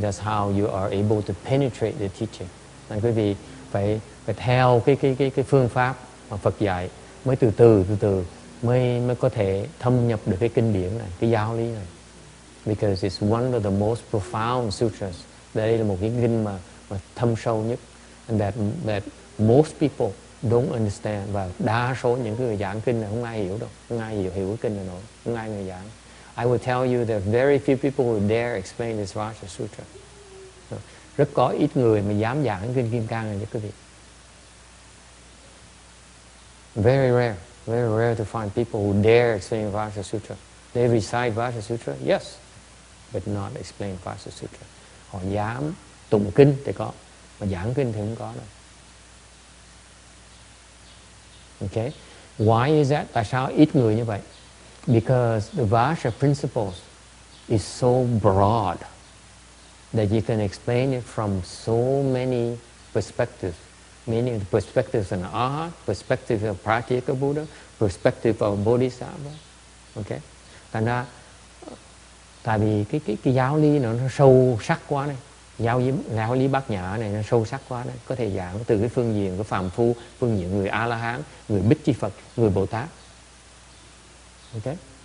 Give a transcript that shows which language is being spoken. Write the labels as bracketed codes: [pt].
[en] That's how you are able to penetrate the teaching. [vi] Nên quý vị phải theo cái phương pháp mà Phật dạy mới từ từ mới có thể thâm nhập được cái kinh điển này, cái giáo lý này. [en] Because it's one of the most profound sutras. [vi] Đây là một cái kinh mà thâm sâu nhất, [en] and that most people don't understand, [vi] và đa số những người giảng kinh này không ai hiểu đâu, không ai hiểu cái kinh này nổi, không ai người giảng. [en] I will tell you there are very few people who dare explain this Vajra Sutra. [vi] Rất có ít người mà dám giảng kinh Kim Cang này cho quý vị. [en] Very rare to find people who dare sing Vajra Sutra. They recite Vajra Sutra, yes, but not explain Vajra Sutra. [vi] Họ dám tụng kinh thì có, mà giảng kinh thì không có đâu. [en] Okay, why is that? [vi] Tại sao ít người như vậy? [en] Because the Vajra principles is so broad that you can explain it from so many perspectives, meaning the perspectives of an arhat, perspective of Pratyeka Buddha, perspective of Bodhisattva. [vi] Okay, thành ra tại vì cái giáo lý nó sâu sắc quá này, giáo lý bát nhã này nó sâu sắc quá này, có thể giảng từ cái phương diện của phàm phu, phương diện người A La Hán, người Bích Chi Phật, người Bồ Tát. Okay.